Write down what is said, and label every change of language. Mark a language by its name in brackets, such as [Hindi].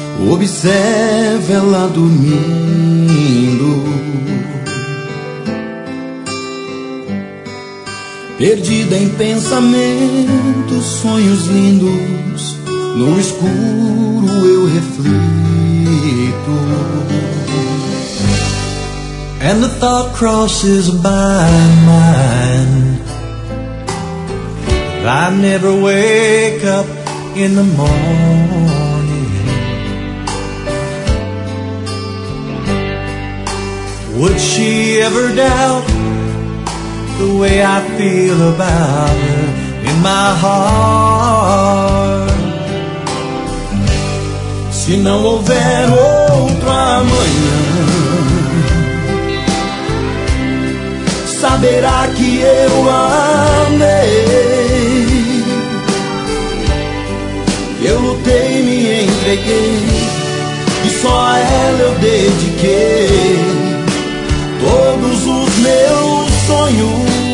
[Portuguese] Observe ela dormindo, perdida em pensamentos, sonhos lindos. No escuro eu reflito, [English] and the thought crosses my mind that I never wake up in the morning. Would she ever doubt the way I feel about her in my heart? [Portuguese] Se não houver outro amanhã, saberá que eu amei. Eu lutei, me entreguei, e só a ela eu dediquei todos os meus sonhos.